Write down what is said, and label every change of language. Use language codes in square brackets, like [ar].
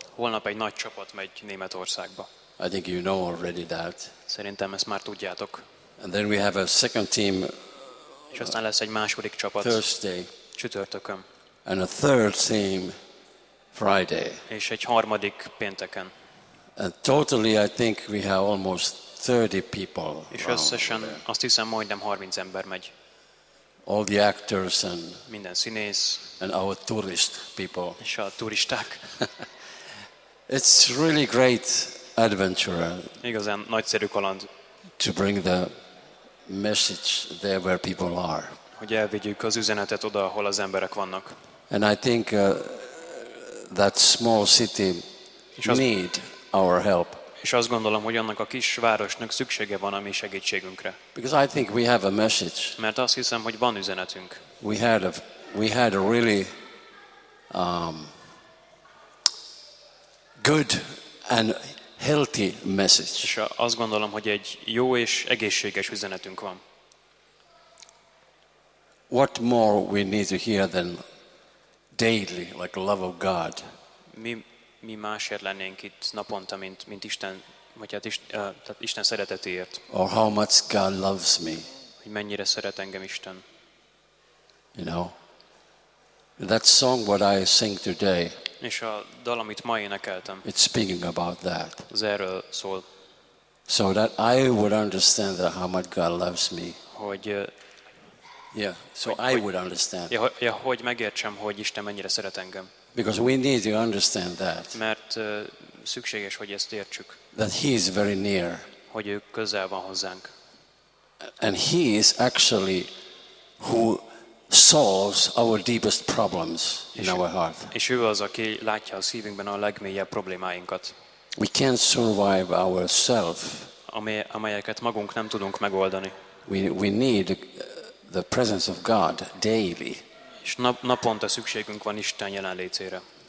[hu] Holnap egy nagy csapat megy Németországba. [en] I think you know already that. [hu] Szerintem ezt már tudjátok. [en] And then we have a second team. [hu] És aztán lesz egy második csapat. [en] Thursday. [hu] Csütörtökön. [en] And a third team Friday. [hu] És egy harmadik pénteken. [en] And totally I think we have almost 30 people. [hu] És összesen azt hiszem majdnem 30 ember megy. [en] All the actors and [hu] minden színész. [en] And our tourist people. [hu] És a turisták. [en] It's really great adventure. [hu] Igazán nagyszerű kaland. [en] To bring the message there where people are. [hu] Hogy elvigyük az üzenetet oda, ahol az emberek vannak. [en] And I think that small city need our help. [hu] És azt gondolom, hogy annak a kis városnak szüksége van a mi segítségünkre. [en] Because I think we have a message. [hu] Mert azt hiszem, hogy van üzenetünk. [en] We had a really good and healthy message. [hu] És azt gondolom, hogy egy jó és egészséges üzenetünk van. [en] What more we need to hear than daily, like love of God? [hu] Mi másért lennénk itt naponta, mint Isten, vagy hát Isten szeretetéért? [en] Or how much God loves me? [hu] Hogy mennyire szeret engem Isten? [en] You know, that song what I sing today. [hu] És a dal, amit ma énekeltem. [en] It's speaking about that. [hu] Az erről szól. [en] So that I would understand that how much God loves me. [hu] Hogy [en] yeah, so hogy, I would understand. [hu] Ja, hogy megértsem, hogy Isten mennyire szeret engem. [en] Because we need to understand that. [hu] Mert szükséges, hogy ezt értsük. [en] That he is very near. [hu] Hogy ő közel van hozzánk. [en] And he is actually who solves our deepest problems in our heart. [hu] És ő az, aki látja a szívünkben a legmélyebb problémáinkat. [en] We can't survive ourselves. [hu] Amelyeket magunk nem tudunk megoldani. [en] We need the presence of God daily. [hu] És naponta szükségünk van Isten jelenlétére.